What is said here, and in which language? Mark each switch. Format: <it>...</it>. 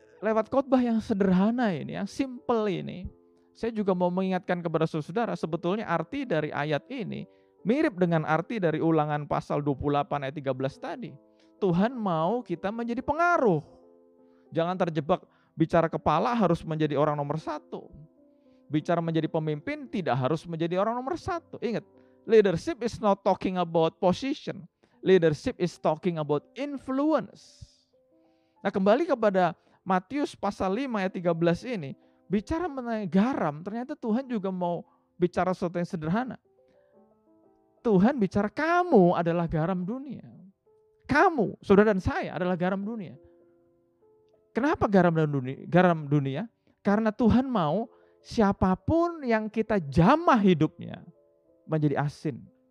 <id>lewat khotbah yang sederhana ini, yang simple ini, saya juga mau mengingatkan kepada saudara, sebetulnya arti dari ayat ini mirip dengan arti dari Ulangan pasal 28 ayat 13 tadi. Tuhan mau kita menjadi pengaruh. Jangan terjebak bicara kepala harus menjadi orang nomor satu. Bicara menjadi pemimpin tidak harus menjadi orang nomor satu. Ingat,</id> <en>leadership is not talking about position. Leadership is talking about influence.</en> <id>Nah, kembali kepada Matius pasal 5 ayat 13 ini. Bicara mengenai garam, ternyata Tuhan juga mau bicara sesuatu yang sederhana. Tuhan bicara, kamu adalah garam dunia. Kamu, saudara dan saya adalah garam dunia. Kenapa garam dunia? Karena Tuhan mau siapapun yang kita jamah hidupnya menjadi asin.</id>